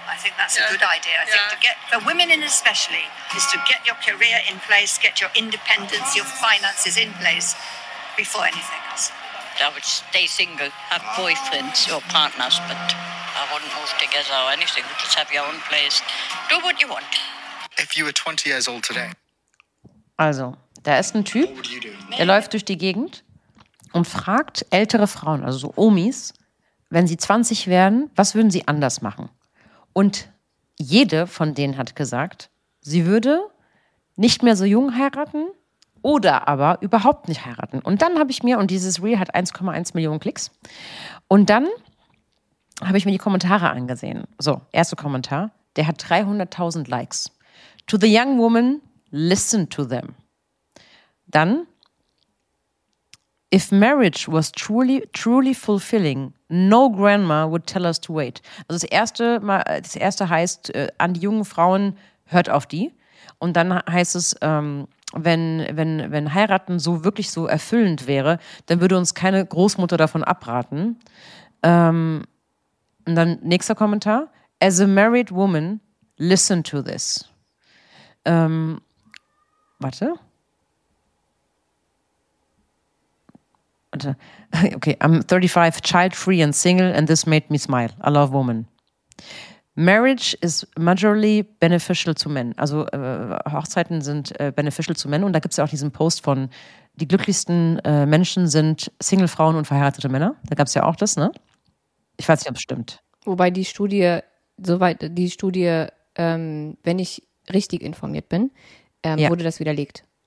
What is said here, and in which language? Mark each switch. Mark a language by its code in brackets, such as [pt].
[en] I think that's a good idea. I think to get, for women in especially, is to get your career in place, get your independence, your finances in place before anything else. I would stay single, have boyfriends or partners, but... I wouldn't move together or anything. Just have your own place. Do what you want. If you were 20 years old today. [de] Also, da ist ein Typ, der läuft durch die Gegend und fragt ältere Frauen, also so Omis, wenn sie 20 wären, was würden sie anders machen? Und jede von denen hat gesagt, sie würde nicht mehr so jung heiraten oder aber überhaupt nicht heiraten. Und dann habe ich mir, und dieses Reel hat 1,1 Millionen Klicks, und dann habe ich mir die Kommentare angesehen. So, erster Kommentar, der hat 300.000 Likes. [en] To the young woman, listen to them. [de] Dann, [en] if marriage was truly, truly fulfilling, no grandma would tell us to wait. [de] Also das erste heißt, an die jungen Frauen, hört auf die. Und dann heißt es, wenn heiraten so wirklich so erfüllend wäre, dann würde uns keine Großmutter davon abraten. Und dann nächster Kommentar. [en] As a married woman, listen to this. [de] Warte. [en] Okay, I'm 35, child-free and single, and this made me smile. I love women. Marriage is majorly beneficial to men. [de] Also Hochzeiten sind [en] beneficial to men. [de] Und da gibt es ja auch diesen Post von, die glücklichsten Menschen sind Single-Frauen und verheiratete Männer. Da gab es ja auch das, ne? Ich weiß nicht, ob es stimmt. Wobei die Studie, soweit die Studie, wenn ich richtig informiert bin, wurde das widerlegt.